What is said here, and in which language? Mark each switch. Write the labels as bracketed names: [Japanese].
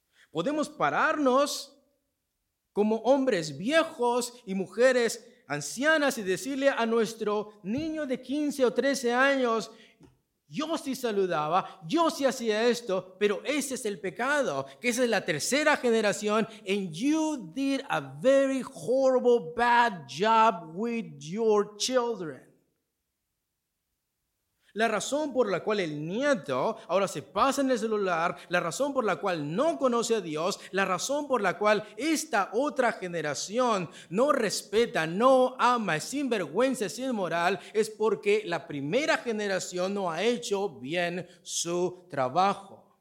[Spanish] Podemos pararnos como hombres viejos y mujeres ancianas y decirle a nuestro niño de 15 o 13 años, yo sí saludaba, yo sí hacía esto, pero ese es el pecado, que esa es la tercera generación. [English] And you did a very horrible, bad job with your children. [Spanish] La razón por la cual el nieto ahora se pasa en el celular, la razón por la cual no conoce a Dios, la razón por la cual esta otra generación no respeta, no ama, es sinvergüenza, es inmoral, es porque la primera generación no ha hecho bien su trabajo.